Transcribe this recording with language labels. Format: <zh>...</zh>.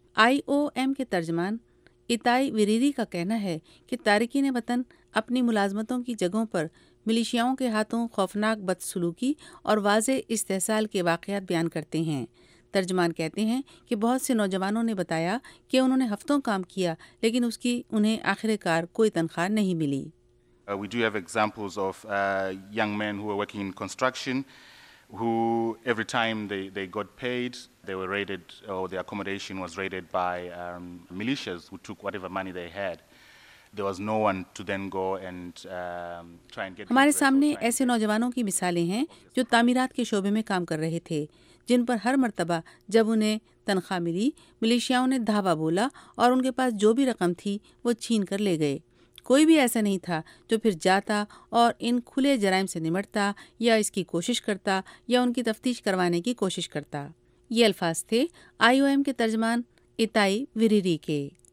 <ur>آئی O M کے ترجمان اتائی ویریری کا کہنا ہے کہ تارکین وطن اپنی ملازمتوں کی جگہوں پر ملیشیاؤں کے ہاتھوں خوفناک بدسلوکی اور واضح استحصال کے واقعات بیان کرتے ہیں۔ ترجمان کہتے ہیں کہ بہت سے نوجوانوں نے بتایا کہ انہوں نے ہفتوں کام کیا لیکن اس کی انہیں آخر کار کوئی تنخواہ نہیں ملی۔</ur> <en>We do have examples of young men who were working in construction who every time they got paid they were raided or their accommodation was raided by militias who took whatever money they had.</en> <ur>ہمارے سامنے ایسے نوجوانوں کی مثالیں ہیں جو تعمیرات کے شعبے میں کام کر رہے تھے، جن پر ہر مرتبہ جب انہیں تنخواہ ملی ملیشیاؤں نے دھاوا بولا اور ان کے پاس جو بھی رقم تھی وہ چھین کر لے گئے۔ کوئی بھی ایسا نہیں تھا جو پھر جاتا اور ان کھلے جرائم سے نمٹتا یا اس کی کوشش کرتا یا ان کی تفتیش کروانے کی کوشش کرتا۔ یہ الفاظ تھے آئی او ایم کے ترجمان اتائی ویریری کے۔</ur>